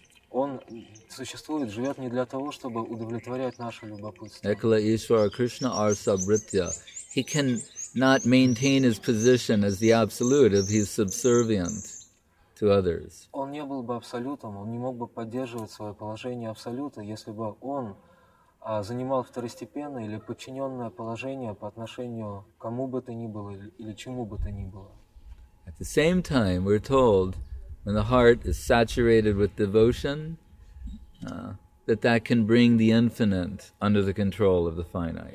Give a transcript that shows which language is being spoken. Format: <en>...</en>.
<ru>Он существует, живет не для того, чтобы удовлетворять наше любопытство.</ru> <bn>Ekala Ishvara Krishna Arsabritya.</bn> <en>He can not maintain his position as the absolute if he's subservient to others.</en> <ru>Он не был бы абсолютом, он не мог бы поддерживать свое положение абсолюта, если бы он занимал второстепенное или подчиненное положение по отношению к кому бы то ни было или чему бы то ни было.</ru> <en>At the same time, we're told, when the heart is saturated with devotion, that can bring the infinite under the control of the finite.</en>